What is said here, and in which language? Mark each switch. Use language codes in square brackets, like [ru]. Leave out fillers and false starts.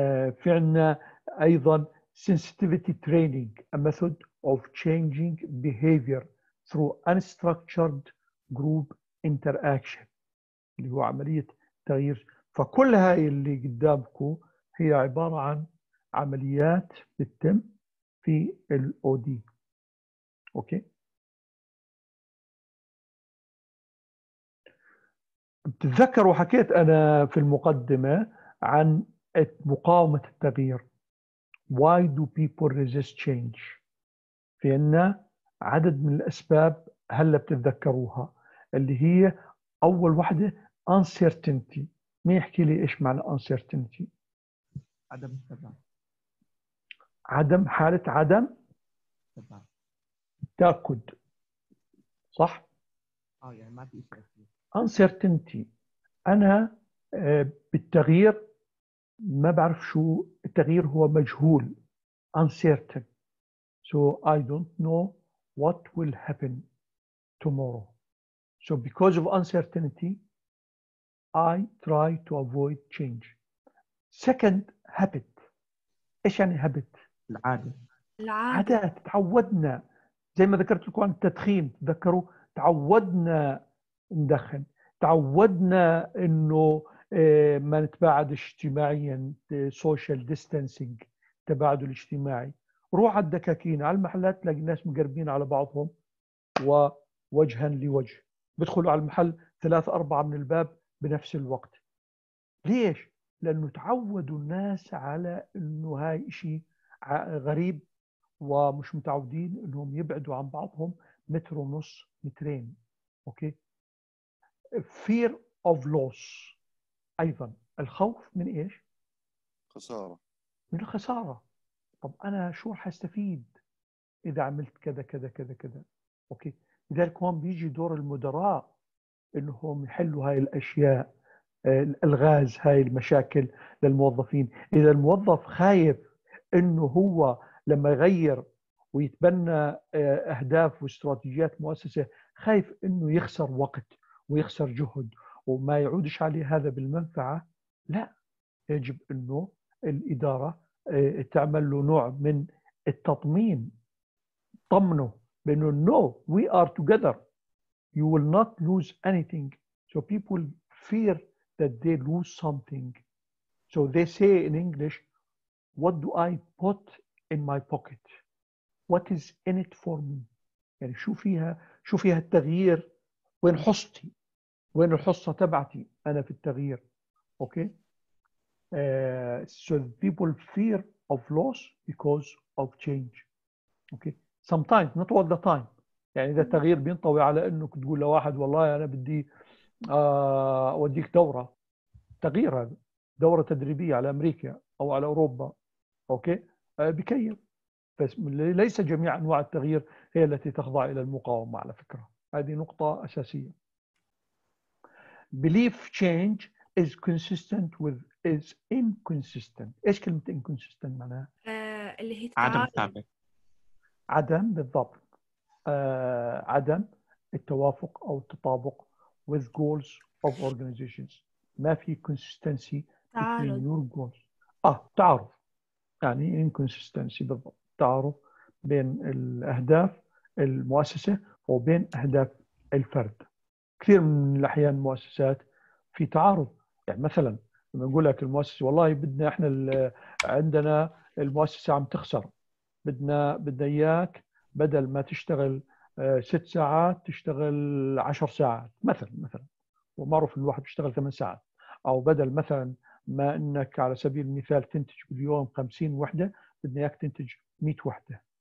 [ar] في عنا أيضا [en] sensitivity training, a method of changing behavior through unstructured group interaction. [ar] اللي هو عملية تغيير. فكل هاي اللي قدامكم هي عبارة عن عمليات بتتم في الـ OD. أوكي؟ بتتذكر وحكيت أنا في المقدمة عن مقاومة التغيير. [en] Why do people resist change؟ [ar] في أن عدد من الأسباب هلا بتتذكروها اللي هي أول واحدة uncertainty. مين يحكي لي إيش معنى uncertainty؟ عدم الثبات. عدم حالة عدم تأكد. صح؟ اه يعني ما في تأكد. uncertainty أنا بالتغيير ما بعرف شو التغيير هو مجهول. [en] uncertain. So I don't know what will happen tomorrow. So because of uncertainty I try to avoid change. Second habit. [ar] إيش يعني habit؟ العادة. العادة. عادات تعودنا. زي ما ذكرت لكم عن التدخين تذكروا تعودنا ندخن. تعودنا إنه ما نتباعد اجتماعيا social distancing تباعد الاجتماعي. روح على الدكاكين على المحلات تلاقي الناس مقربين على بعضهم ووجها لوجه. بدخلوا على المحل ثلاث أربعة من الباب بنفس الوقت. ليش؟ لأنه تعودوا الناس على أنه هاي إشي غريب ومش متعودين أنهم يبعدوا عن بعضهم متر ونص مترين. [en] Okay? Fear of loss أيضا. [ar] الخوف من إيش؟ خسارة. من الخسارة. طب أنا شو رح أستفيد إذا عملت كذا كذا كذا كذا. أوكي؟ لذلك هون بيجي دور المدراء إنهم يحلوا هاي الأشياء، الغاز هاي المشاكل للموظفين. إذا الموظف خايف إنه هو لما يغير ويتبنى أهداف واستراتيجيات مؤسسة خايف إنه يخسر وقت ويخسر جهد وما يعودش عليه هذا بالمنفعة، لا، يجب إنه الإدارة تعمل له نوع من التطمين، طمنه بإنه [en] no we are together. You will not lose anything. So people fear that they lose something. So they say in English, what do I put in my pocket? What is in it for me? [ar] يعني شو فيها التغيير؟ وين حصتي؟ وين الحصة تبعتي أنا في التغيير؟ Okay. [en] So people fear of loss because of change. Okay. Sometimes, not all the time. [ar] يعني إذا التغيير بينطوي على أنك تقول لواحد والله أنا بدي أوديك دورة تغيير، هذا دورة تدريبية على أمريكا أو على أوروبا، أوكي، بكير. بس ليس جميع أنواع التغيير هي التي تخضع إلى المقاومة على فكرة. هذه نقطة أساسية. [en] Belief change is consistent with is inconsistent. [ar] إيش كلمة inconsistent معناها؟ اللي هي عدم ثابت. عدم بالضبط. عدم التوافق أو التطابق [en] with goals of organizations. [ar] ما في [en] consistency between your goals. [ar] تعرف يعني inconsistency بالضبط. تعرف بين الأهداف المؤسسة وبين أهداف الفرد. كثير من الأحيان المؤسسات في تعارض. يعني مثلا لما نقول لك المؤسسة والله بدنا احنا عندنا المؤسسة عم تخسر، بدنا إياك بدل ما تشتغل ست ساعات تشتغل عشر ساعات مثلا ومعروف ان الواحد بيشتغل ثمان ساعات، او بدل مثلا ما انك على سبيل المثال تنتج باليوم 50 وحده بدنا اياك تنتج 100 وحده.